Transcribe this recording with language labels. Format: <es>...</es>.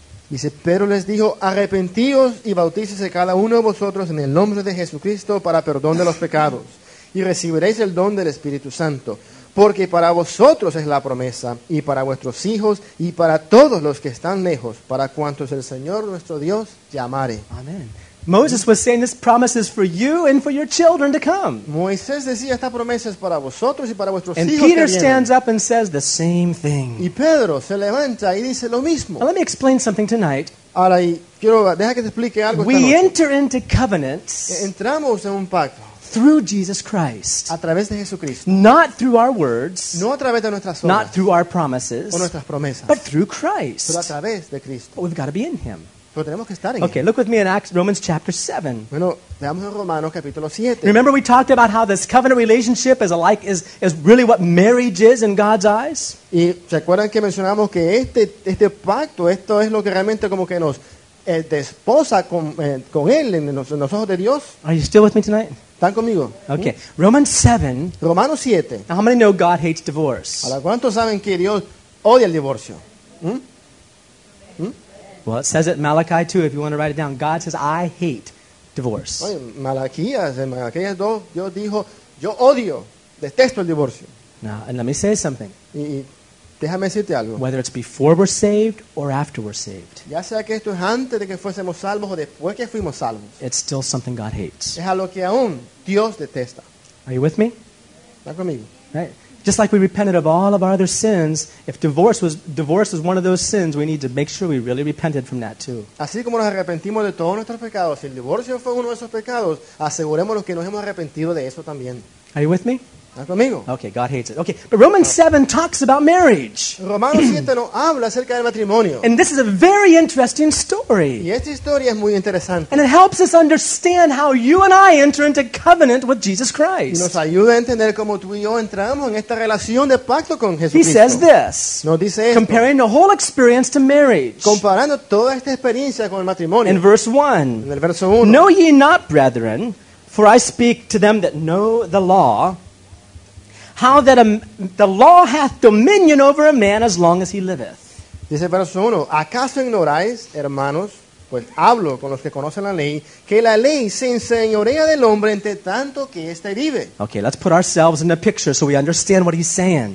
<es>Dice, pero les dijo, arrepentíos y bautícese cada uno de vosotros en el nombre de Jesucristo para perdón de los pecados, y recibiréis el don del Espíritu Santo, porque para vosotros es la promesa, y para vuestros hijos, y para todos los que están lejos, para cuantos el Señor nuestro Dios llamare. Amén.</es> <en>Moses was saying this promise is for you and for your children to come.</en> <es>Moisés decía esta promesa es para vosotros y para vuestros</es> <en>and</en> <es>hijos.</es> <en>And Peter stands up and says the same thing.</en> <es>Y Pedro se levanta y dice lo mismo.</es> <en>Now let me explain something tonight.</en> <es>Ahora, quiero, deja que te explique algo.</es> <en>We enter into covenants.</en> <es>Entramos en un pacto.</es> <en>Through Jesus Christ.</en> <es>A través de Jesucristo.</es> <en>Not through our words.</en> <es>No a través de nuestras obras.</es> <en>Not through our promises.</en> <es>O nuestras promesas.</es> <en>But through Christ.</en> <es>Pero a través de Cristo.</es> <en>But we've got to be in Him.</en> <es>Pero tenemos que estar en</es> <en>okay,</en> <es>él.</es> <en>Look with me in Acts, Romans chapter 7.</en> <es>Bueno, veamos en Romanos capítulo 7.</es> <en>Remember we talked about how this covenant relationship is alike is really what marriage is in God's eyes?</en> <es>Y se acuerdan que mencionamos que este pacto, esto es lo que realmente como que nos desposa con él en los ojos de Dios.</es> <en>Are you still with me tonight?</en> <es>¿Están conmigo?</es> <en>Okay. Romans 7.</en> <es>Romanos 7.</es> <en>Now, how many know God hates divorce?</en> <es>¿Ahora cuántos saben que Dios odia el divorcio?</es> <en>Well, it says it in Malachi 2, if you want to write it down. God says, I hate divorce.</en> <es>Malaquías 2, Dios dijo, yo odio, detesto el divorcio.</es> <en>Now, and let me say something.</en> <es>Y déjame decirte algo.</es> <en>Whether it's before we're saved or after we're saved.</en> <es>Ya sea que esto es antes de que fuésemos salvos o después que fuimos salvos.</es> <en>It's still something God hates.</en> <es>Es algo que aún Dios detesta.</es> <en>Are you with me?</en> <es>¿Está conmigo?</es> <en>Right. Just like we repented of all of our other sins, if divorce was one of those sins, we need to make sure we really repented from that too.</en> <es>Así como nos arrepentimos de todos nuestros pecados, si el divorcio fue uno de esos pecados, asegurémonos que nos hemos arrepentido de eso también.</es> <en>Are you with me?</en> <es>¿Estás conmigo?</es> <en>Okay, God hates it. Okay, but Romans 7 talks about marriage.</en> <es>Romanos 7 no habla acerca del matrimonio.</es> <en>And this is a very interesting story.</en> <es>Y esta historia es muy interesante.</es> <en>And it helps us understand how you and I enter into covenant with Jesus Christ.</en> <es>Y nos ayuda a entender cómo tú y yo entramos en esta relación de pacto con Jesucristo.</es> <en>He says this.</en> <es>Nos dice esto.</es> <en>Comparing the whole experience to marriage.</en> <es>Comparando toda esta experiencia con el matrimonio.</es> <en>In verse 1.</en> <es>En el verso 1.</es> <en>Know ye not, brethren, For I speak to them that know the law, how that the law hath dominion over a man as long as he liveth.</en> <es>Dice el verso 1, ¿acaso ignoráis, hermanos, pues hablo con los que conocen la ley, que la ley se enseñorea del hombre entre tanto que éste vive?</es> <en>Okay, let's put ourselves in the picture so we understand what he's saying.</en>